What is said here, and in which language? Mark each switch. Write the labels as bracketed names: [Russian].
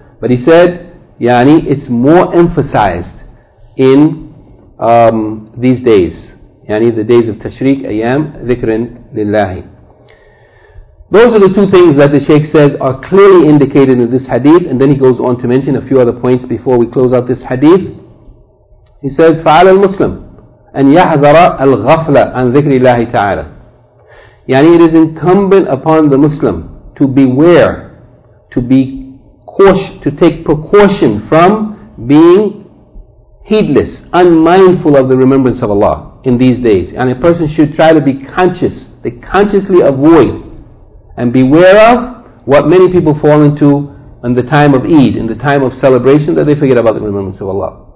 [English] But he said, yani, it's more emphasized in these days. Yani, the days of Tashriq, [Arabic] Ayyam, Dhikrin, Lillahi. [English] Those are the two things that the Shaykh says are clearly indicated in this hadith, and then he goes on to mention a few other points before we close out this hadith. He says, [Arabic] فَعَلَى الْمُسْلِمُ أَنْ يَحْذَرَ الْغَفْلَ عَنْ ذِكْرِ اللَّهِ تَعَالَى. [English] Yani, it is incumbent upon the Muslim to beware, to be cautious, to take precaution from being heedless, unmindful of the remembrance of Allah in these days. And a person should try to be conscious, to consciously avoid and beware of what many people fall into in the time of Eid, in the time of celebration, that they forget about the remembrance of Allah.